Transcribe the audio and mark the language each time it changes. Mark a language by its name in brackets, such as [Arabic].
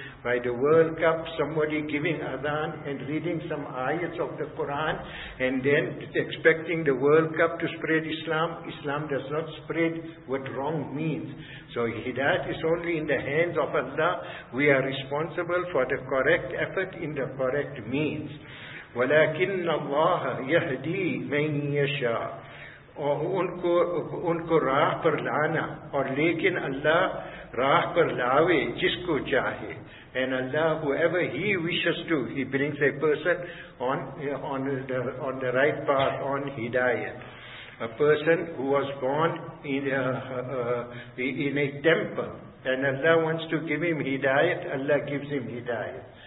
[English] By the World Cup, somebody giving adhan and reading some ayats of the Quran and then expecting the World Cup to spread Islam. Islam does not spread with wrong means. So hidayat is only in the hands of Allah. We are responsible for the correct effort in the correct means. [Arabic] وَلَكِنَّ اللَّهَ يَهْدِي مَنْ يَشَاءُ [Urdu] اور ان کو راہ پر لانا اور لیکن اللہ راہ پر لاوے جس کو چاہے. [English] And Allah, whoever He wishes to, He brings a person on the right path, on hidayat. A person who was born in a temple and Allah wants to give him hidayat, Allah gives him hidayat.